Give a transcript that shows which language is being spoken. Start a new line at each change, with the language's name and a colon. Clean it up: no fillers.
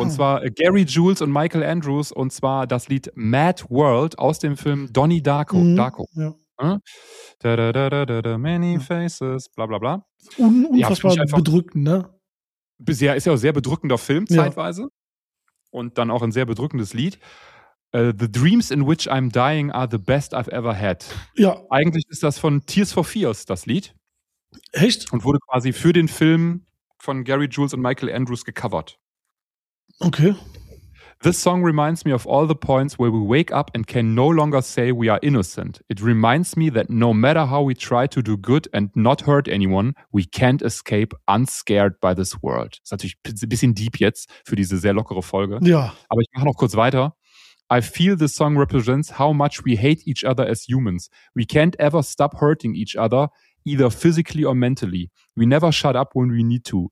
German: Und zwar Gary Jules und Michael Andrews. Und zwar das Lied Mad World aus dem Film Donnie Darko. Darko. Ja.
English: Many faces, bla bla bla.
German: Unfassbar bedrückend, ne? Ist ja auch ein sehr bedrückender Film zeitweise. Ja. Und dann auch ein sehr bedrückendes Lied.
English: The dreams in which I'm dying are the best I've ever had.
German: Ja. Eigentlich ist das von Tears for Fears, das Lied. Echt? Und wurde quasi für den Film von Gary Jules und Michael Andrews gecovert. Okay.
English: This song reminds me of all the points where we wake up and can no longer say we are innocent. It reminds me that no matter how we try to do good and not hurt anyone, we can't escape unscared by this world.
German: Ist natürlich ein bisschen deep jetzt für diese sehr lockere Folge. Ja. Aber ich mache noch kurz weiter.
English: I feel this song represents how much we hate each other as humans. We can't ever stop hurting each other, either physically or mentally. We never shut up when we need to.